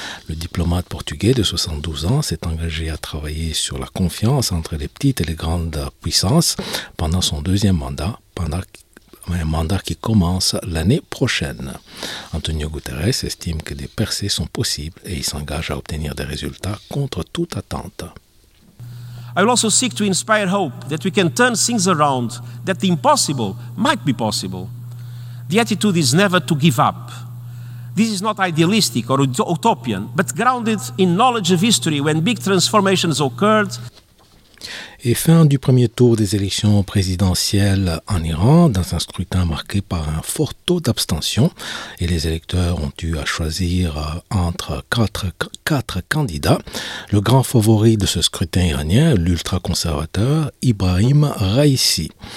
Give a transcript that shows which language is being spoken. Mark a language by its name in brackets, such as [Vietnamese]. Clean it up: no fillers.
[French] Le diplomate portugais de 72 ans s'est engagé à travailler sur la confiance entre les petites et les grandes puissances pendant son deuxième mandat, un mandat qui commence l'année prochaine. Antonio Guterres estime que des percées sont possibles et il s'engage à obtenir des résultats contre toute attente. [English] I will also seek to inspire hope that we can turn things around, that the impossible might be possible. The attitude is never to give up. This is not idealistic or utopian, but grounded in knowledge of history when big transformations occurred. [French] Et fin du premier tour des élections présidentielles en Iran, dans un scrutin marqué par un fort taux d'abstention. Et les électeurs ont eu à choisir entre quatre candidats. Le grand favori de ce scrutin iranien, l'ultra-conservateur Ibrahim Raisi.